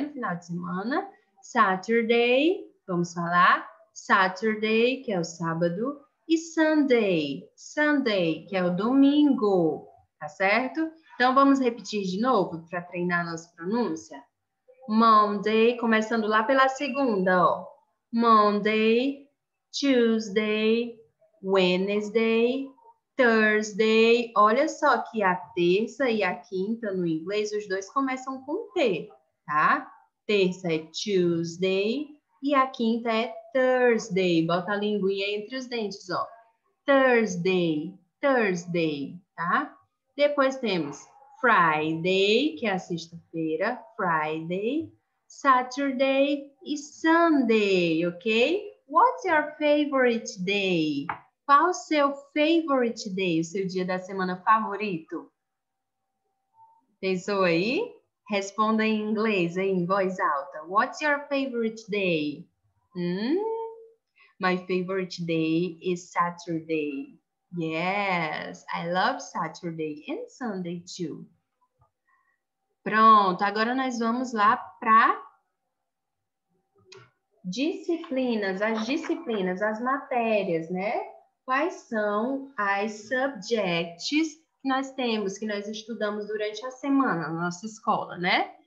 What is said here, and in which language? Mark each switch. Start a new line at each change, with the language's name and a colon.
Portuguese: No final de semana, Saturday, vamos falar, Saturday, que é o sábado, e Sunday, que é o domingo, tá certo? Então, vamos repetir de novo para treinar a nossa pronúncia? Monday, começando lá pela segunda, ó.
English: Monday, Tuesday, Wednesday, Thursday.
Portuguese: Olha só que a terça e a quinta no inglês, os dois começam com T, tá? Terça é Tuesday e a quinta é Thursday. Bota a linguinha entre os dentes, ó. Thursday, tá? Depois temos Friday, que é a sexta-feira, Friday, Saturday e Sunday, ok?
English: What's your favorite day?
Portuguese: Qual o seu
English: favorite day,
Portuguese: o seu dia da semana favorito? Pensou aí? Responda em inglês, em voz alta.
English: What's your favorite day? My favorite day is Saturday. Yes, I love Saturday and Sunday too.
Portuguese: Pronto, agora nós vamos lá para disciplinas, as matérias, né? Quais são as subjects que nós temos, que nós estudamos durante a semana na nossa escola, né?